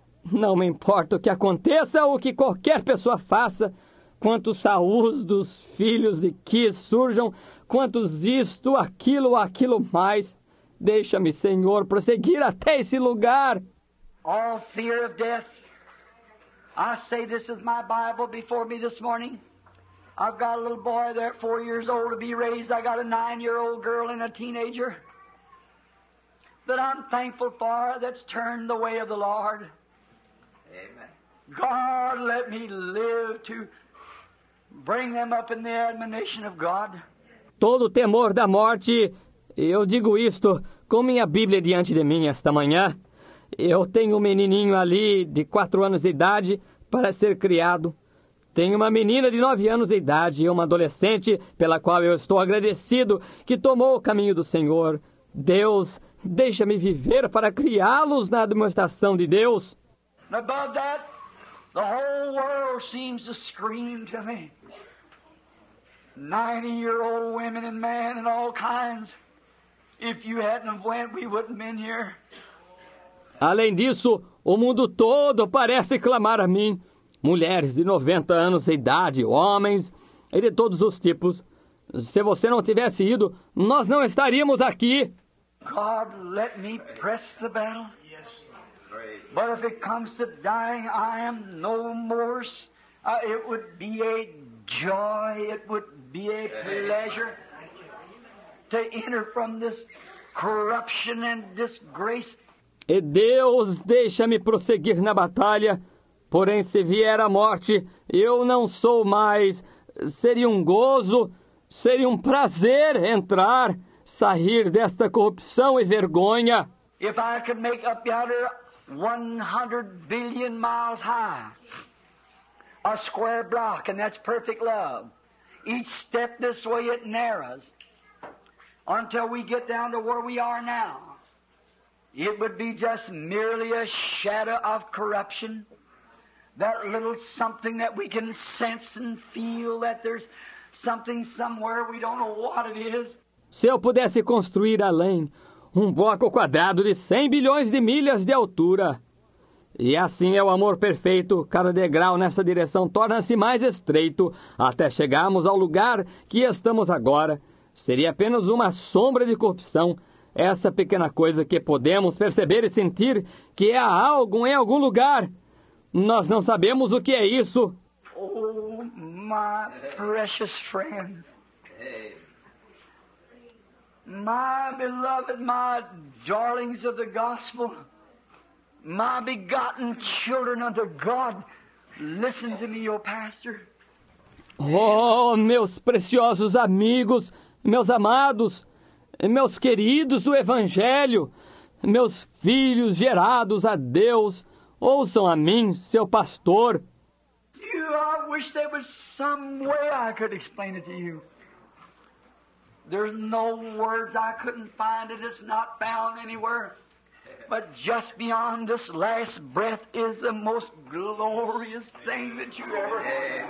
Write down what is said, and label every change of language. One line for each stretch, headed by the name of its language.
Portuguese: Não me importa o que aconteça ou o que qualquer pessoa faça, quantos saúdos dos filhos de Kis surjam, quantos isto, aquilo mais. Deixa-me, Senhor, prosseguir até esse lugar.
English: All fear of death. I say this is my Bible before me this morning. I've got a little boy there, 4 years old, to be raised. I got a 9-year-old girl and a teenager that I'm thankful for that's turned the way of the Lord. Amen. God, let me live to bring them up in the admonition of God.
Portuguese: Todo temor da morte, eu digo isto com minha Bíblia diante de mim esta manhã. Eu tenho um menininho ali de 4 anos de idade para ser criado. Tenho uma menina de 9 anos de idade e uma adolescente pela qual eu estou agradecido que tomou o caminho do Senhor. Deus, deixa-me viver para criá-los na demonstração de Deus.
English: Above that, the whole world seems to scream to me. 90-year-old women and men and all kinds. If you hadn't have went, we wouldn't have been here.
Portuguese: Além disso, o mundo todo parece clamar a mim. Mulheres de 90 anos de idade, homens e de todos os tipos. Se você não tivesse ido, nós não estaríamos aqui.
English: God, let me press the bell. But if it comes to dying, I am no more. It would be a joy, it would be a pleasure to enter from this corruption and disgrace.
Portuguese: E Deus, deixa-me prosseguir na batalha. Porém, se vier a morte, eu não sou mais. Seria um gozo, seria um prazer entrar, sair desta corrupção e vergonha.
English: If I could make up yonder 100 billion miles high, a square block, and that's perfect love. Each step this way it narrows until we get down to where we are now. It would be just merely a shadow of corruption. That little something that we can sense and feel that there's something somewhere, we don't know what it is.
Portuguese: Se eu pudesse construir além um bloco quadrado de 100 bilhões de milhas de altura. E assim é o amor perfeito. Cada degrau nessa direção torna-se mais estreito até chegarmos ao lugar que estamos agora. Seria apenas uma sombra de corrupção. Essa pequena coisa que podemos perceber e sentir que há algo em algum lugar. Nós não sabemos o que é isso.
English: Oh, my precious friend. My beloved, my darlings of the gospel. My begotten children unto God. Listen to me, O pastor.
Portuguese: Oh, meus preciosos amigos, meus amados, meus queridos do Evangelho, meus filhos gerados a Deus, ouçam a mim, seu pastor.
English: I wish there was some way I could explain it to you. There's no words I couldn't find, it is not found anywhere. But just beyond this last breath is the most glorious thing that you ever heard.